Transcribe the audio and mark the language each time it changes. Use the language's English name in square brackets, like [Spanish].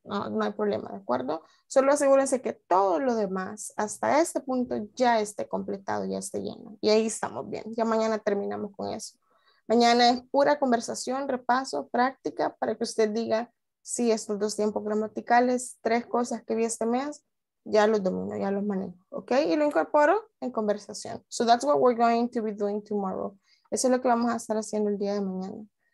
[Spanish] No hay problema, ¿de acuerdo? Solo asegúrense que todo lo demás hasta este punto ya esté completado, ya esté lleno. Y ahí estamos bien. Ya mañana terminamos con eso. Mañana es pura conversación, repaso, práctica para que usted diga si estos dos tiempos gramaticales, tres cosas que vi este mes, ya los domino, ya los manejo, ¿ok? Y lo incorporo en conversación. [English] So that's what we're going to be doing tomorrow. [Spanish] Eso es lo que vamos a estar haciendo el día de mañana.